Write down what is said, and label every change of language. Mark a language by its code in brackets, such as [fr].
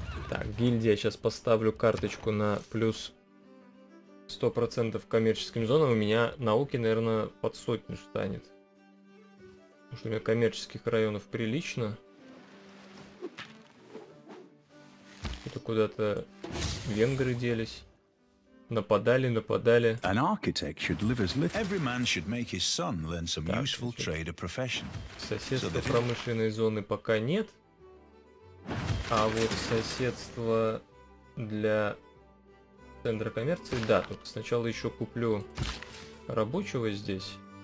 [ru] Так, гильдия, сейчас поставлю карточку на плюс 100% коммерческим зонам. У меня науки, наверное, под сотню станет. Потому что у меня коммерческих районов прилично. Это куда-то венгры делись. Нападали. [en] An architect should live as little. Every man should make his son learn some useful trade or profession. [ru] Соседство промышленной зоны пока нет. А вот соседство для центра коммерции. Да, тут сначала еще куплю рабочего здесь.